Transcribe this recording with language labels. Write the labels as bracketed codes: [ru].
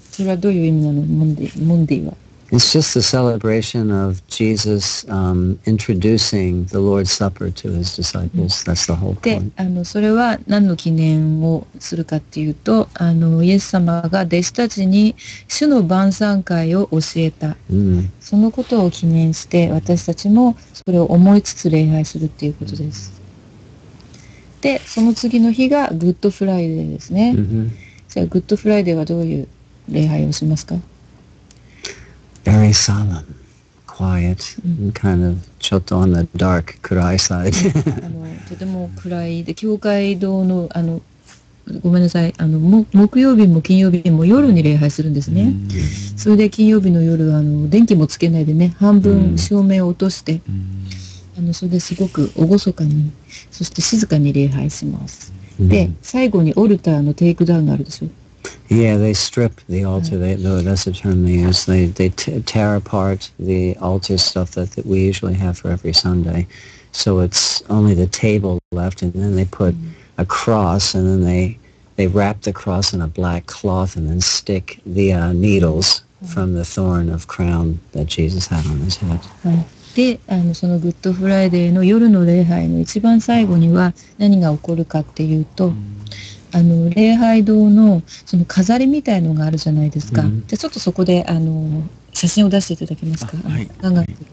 [ja] それはどういう意味なの、モンディー、モンディーは。 [en] It's just the celebration of Jesus, introducing the Lord's Supper to his disciples. That's the whole point. [ja] で、それは何の記念をするかっていうと、イエス様が弟子たちに主の晩餐会を教えた。そのことを記念して、私たちもそれを思いつつ礼拝するっていうことです。で、その次の日がグッドフライデーですね。じゃあ、グッドフライデーはどういう礼拝をしますか？ [en] Very solemn, quiet, kind of, ちょっと on the dark, 暗い side. [ja] とても暗い。で、教会堂の、ごめんなさい、木曜日も金曜日も夜に礼拝するんですね。それで金曜日の夜、電気もつけないでね、半分照明を落として、それですごく厳かに、そして静かに礼拝します。で、最後にオルターのテイクダウンがあるでしょ。 [en] Yeah, they strip the altar. That's a term they use. They tear apart the altar stuff that we usually have for every Sunday. So it's only the table left, and then they put a cross, and then they wrap the cross in a black cloth, and then stick the needles from the thorn of crown that Jesus had on his head. [ja] で、そのグッドフライデーの夜の礼拝の一番最後には何が起こるかっていうと、礼拝堂のその飾りみたいのがあるじゃないですか。じゃちょっとそこで写真を出していただけますか。はい。長く。